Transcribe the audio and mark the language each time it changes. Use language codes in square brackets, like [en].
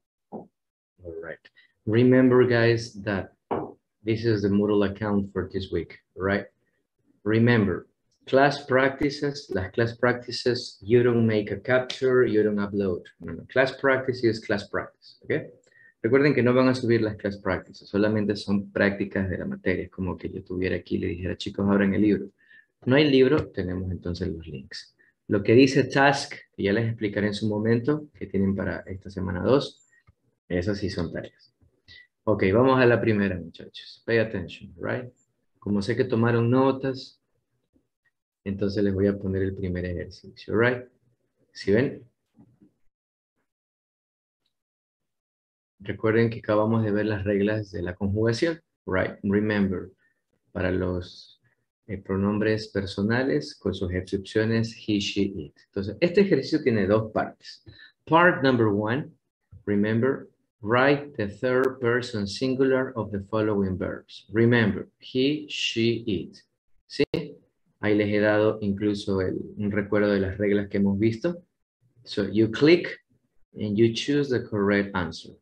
[en] All right. Remember, guys, that this is the Moodle account for this week, right? Remember, class practices, you don't make a capture, you don't upload. No, no. Class practice is class practice, okay? [es] Recuerden que no van a subir las [en] class practices, [es] solamente son prácticas de la materia. Es como que yo estuviera aquí y le dijera, chicos, abran el libro. No hay libro, tenemos entonces los links. Lo que dice task, que ya les explicaré en su momento, que tienen para esta semana 2, esas sí son tareas. Ok, vamos a la primera, muchachos. [en] Pay attention, right? [es] Como sé que tomaron notas, entonces les voy a poner el primer ejercicio, [en] right? [es] ¿Sí ven? Recuerden que acabamos de ver las reglas de la conjugación, [en] right? Remember, [es] para los pronombres personales con sus excepciones, [en] he, she, it. [es] Entonces, este ejercicio tiene dos partes. [en] Part number one, remember, write the third person singular of the following verbs. Remember, he, she, it. [es] ¿Sí? Ahí les he dado incluso un recuerdo de las reglas que hemos visto. [en] So, you click and you choose the correct answer.